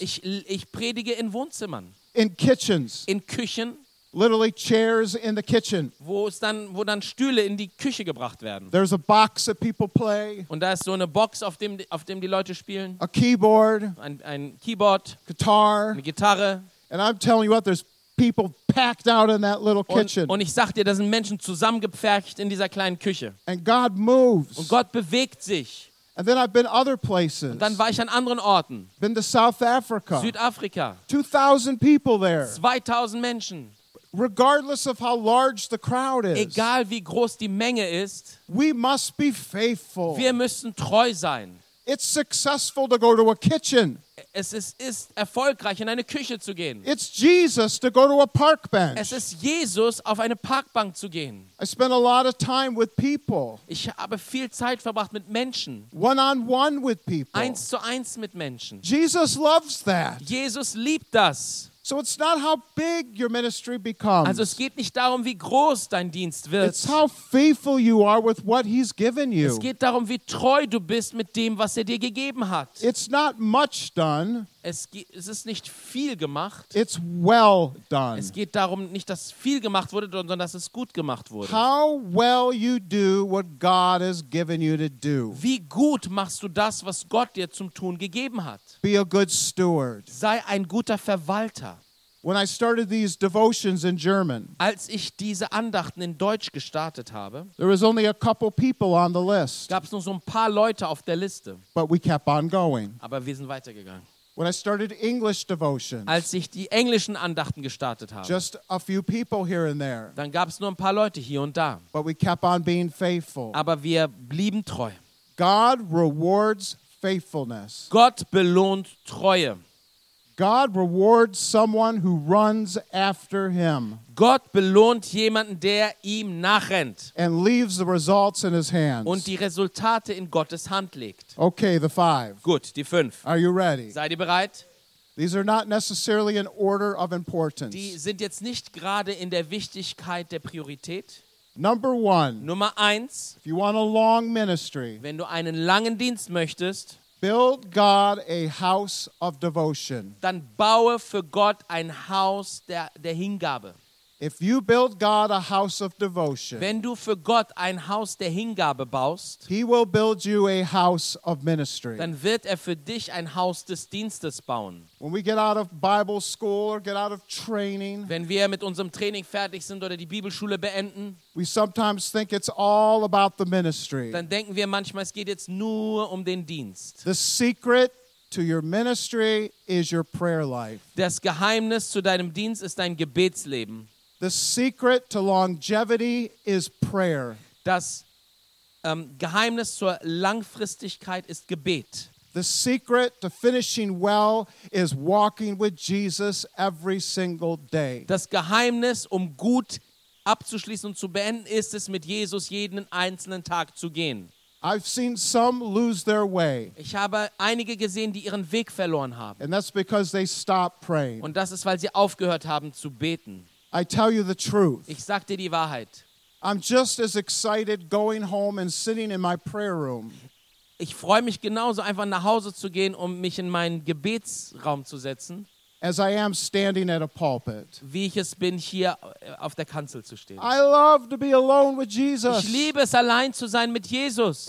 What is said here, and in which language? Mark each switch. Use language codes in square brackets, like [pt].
[de] Ich predige in Wohnzimmern. [en] In kitchens. [de] In Küchen. [en] Literally chairs in the kitchen. [de] Wo dann Stühle in die Küche gebracht werden. [en] There's a box that people play. [de] Und da ist so eine Box, auf dem die Leute spielen. [en] A keyboard. [de] Ein Keyboard. [en] Guitar. [de] Eine Gitarre. [en] And I'm telling you what, there's people packed out in that little kitchen. [de] Und ich sag dir, da sind Menschen zusammengepfercht in dieser kleinen Küche. [en] And God moves. [de] Und Gott bewegt sich. [en] And then I've been other places. [de] Und dann war ich an anderen Orten. [en] Been to South Africa. [de] Südafrika. [en] 2,000 people there. [de] 2,000 Menschen. [en] Regardless of how large the crowd is, [de] egal wie groß die Menge ist, [en] we must be faithful. [de] Wir müssen treu sein. [en] It's successful to go to a kitchen. [de] Es ist erfolgreich, in eine Küche zu gehen. [en] It's Jesus to go to a park bench. [de] Es ist Jesus, auf eine Parkbank zu gehen. [en] I spend a lot of time with people. [de] Ich habe viel Zeit verbracht mit Menschen. [en] One-on-one with people. [de] Eins zu eins mit Menschen. [en] Jesus loves that. [de] Jesus liebt das. [en] So it's not how big your ministry becomes. [de] Also es geht nicht darum, wie groß dein Dienst wird. [en] It's how faithful you are with what he's given you. [de] Es geht darum, wie treu du bist mit dem, was er dir gegeben hat. [en] It's not much done. [de] Es ist nicht viel gemacht. [en] It's well done. [de] Es geht darum, nicht dass viel gemacht wurde, sondern dass es gut gemacht wurde. [en] How well you do what God has given you to do. [de] Wie gut machst du das, was Gott dir zum Tun gegeben hat? [en] Be a good steward. [de] Sei ein guter Verwalter. [en] When I started these devotions in German, [de] als ich diese Andachten in Deutsch gestartet habe, [en] there was only a couple people on the list. [de] Gab's nur so ein paar Leute auf der Liste. [en] But we kept on going. [de] Aber wir sind weitergegangen. [en] When I started English devotions, [de] als ich die englischen Andachten gestartet habe, [en] just a few people here and there. [de] Dann gab's nur ein paar Leute hier und da. [en] But we kept on being faithful. [de] Aber wir blieben treu. [en] God rewards faithfulness. [de] Gott belohnt Treue. [en] God rewards someone who runs after him. [de] Gott belohnt jemanden, der ihm nachrennt. [en] And leaves the results in his hands. [de] Und die Resultate in Gottes Hand legt. [en] Okay, the five. [de] Gut, die fünf. [en] Are you ready? [de] Seid ihr bereit? [en] These are not necessarily in order of importance. [de] Die sind jetzt nicht gerade in der Wichtigkeit der Priorität. [en] Number one. [de] Nummer eins. [en] If you want a long ministry. [de] Wenn du einen langen Dienst möchtest. [en] Build God a house of devotion. [de] Dann baue für Gott ein Haus der Hingabe. [en] If you build God a house of devotion, [de] wenn du für Gott ein Haus der Hingabe baust, [en] he will build you a house of ministry. [de] Dann wird für dich ein Haus des Dienstes bauen. [en] When we get out of Bible school or get out of training, [de] wenn wir mit unserem Training fertig sind oder die Bibelschule beenden, [en] we sometimes think it's all about the ministry. [de] Dann denken wir manchmal, es geht jetzt nur den Dienst. [en] The secret to your ministry is your prayer life. [de] Das Geheimnis zu deinem Dienst ist dein Gebetsleben. [en] The secret to longevity is prayer. [de] Das Geheimnis zur Langfristigkeit ist Gebet. [en] The secret to finishing well is walking with Jesus every single day. [de] Das Geheimnis, gut abzuschließen und zu beenden, ist es, mit Jesus jeden einzelnen Tag zu gehen. [en] I've seen some lose their way. [de] Ich habe einige gesehen, die ihren Weg verloren haben. [en] And that's because they stopped praying. [de] Und das ist, weil sie aufgehört haben zu beten. [en] I tell you the truth. [de] Ich sag dir die Wahrheit. [en] I'm just as excited going home and sitting in my prayer room. [de] Ich freue mich genauso einfach nach Hause zu gehen, mich in meinen Gebetsraum zu setzen. [en] As I am standing at a pulpit. [de] Wie ich es bin, hier auf der Kanzel zu stehen. [en] I love to be alone with Jesus. [de] Ich liebe es, allein zu sein mit Jesus.